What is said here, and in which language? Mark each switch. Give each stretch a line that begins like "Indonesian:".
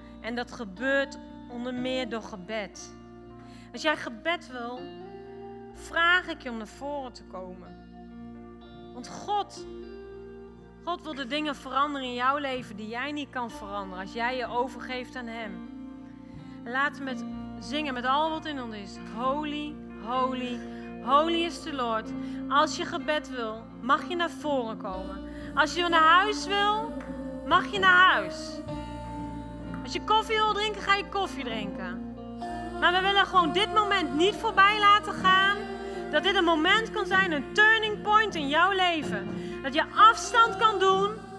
Dutch: En dat gebeurt onder meer door gebed. Als jij gebed wil, vraag ik je om naar voren te komen. Want God wil de dingen veranderen in jouw leven die jij niet kan veranderen als jij je overgeeft aan Hem. En laten we zingen met al wat in ons is.
English: Holy, holy, holy is the Lord.
Dutch: Als je gebed wil, mag je naar voren komen. Als je naar huis wil, mag je naar huis. Als je koffie wil drinken, ga je koffie drinken. Maar we willen gewoon dit moment niet voorbij laten gaan. Dat dit een moment kan zijn, een turning point in jouw leven. Dat je afstand kan doen